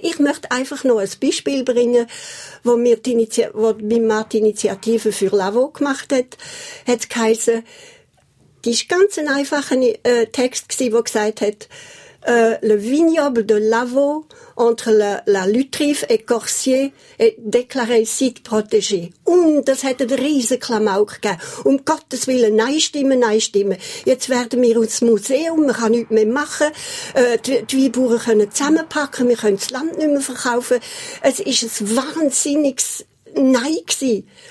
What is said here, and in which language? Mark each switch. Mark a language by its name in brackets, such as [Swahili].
[German] Ich möchte einfach noch ein Beispiel bringen, wo mein Mann die Initiative für LAVO gemacht hat. Hat's geheissen, das war ganz ein einfacher Text, der gesagt hat, [French] le vignoble de Lavaux, entre la Lutrive et Corsier, est déclaré site protégé. [German] Das hat einen riesen Klamauk gegeben. Gottes Willen, nein stimmen. Jetzt werden wir ins Museum, man kann nichts mehr machen, die Weinbauern können zusammenpacken, wir können das Land nicht mehr verkaufen. Es war ein wahnsinniges Nein gewesen.